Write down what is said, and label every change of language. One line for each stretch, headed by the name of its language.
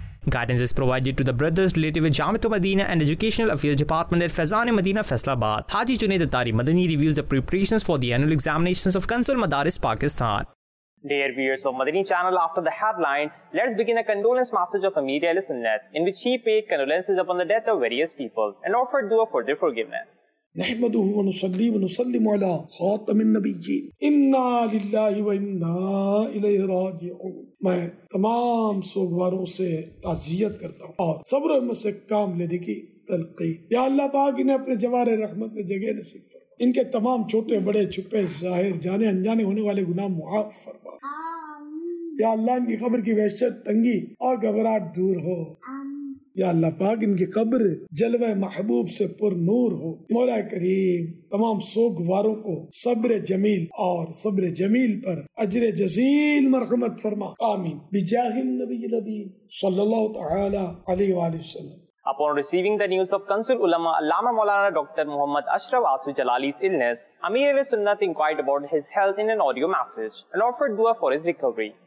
English: Guidance is provided to the brothers related with Jamiatul Madina and Educational Affairs Department at Faizan-e-Madina, Faisalabad. Haji Junaid Attari Madani reviews the preparations for the annual examinations of Consul Madaris Pakistan. Dear viewers of Madani channel, after the headlines, let's begin a condolence message of Amir Ahl-e-Sunnat, in which he paid condolences upon the death of various people and offered dua for their forgiveness.
Arabic: نحمده ونصلي ونسلم على خاتم النبيين إنا لله وإنا إليه راجعون.
Urdu: میں تمام سوگواروں سے تعزیت کرتا ہوں اور صبر و ہمت سے کام لینے کی تلقین. یا اللہ پاک انہیں اپنے جوار رحمت میں جگہ نصیب فرما، ان کے تمام چھوٹے بڑے چھپے ظاہر جانے انجانے ہونے والے گناہ معاف فرما. آمین. یا اللہ ان کی قبر کی وحشت، تنگی اور گھبراہٹ دور ہو. یا اللہ پاک ان کی قبر جلوہ محبوب سے پر نور ہو. مولا کریم تمام سوگواروں کو صبر جمیل اور صبر جمیل پر اجر جزیل مرحمت فرما. آمین.
Arabic: بجاہ النبی لبین صلی اللہ تعالی علیہ وآلہ وسلم.
English: Upon receiving the news of Consul Ulama Allama Maulana Dr. Muhammad Ashraf Asif Jalali's illness, Amir Ahl-e-Sunnat inquired about his health in an audio message and offered dua for his recovery.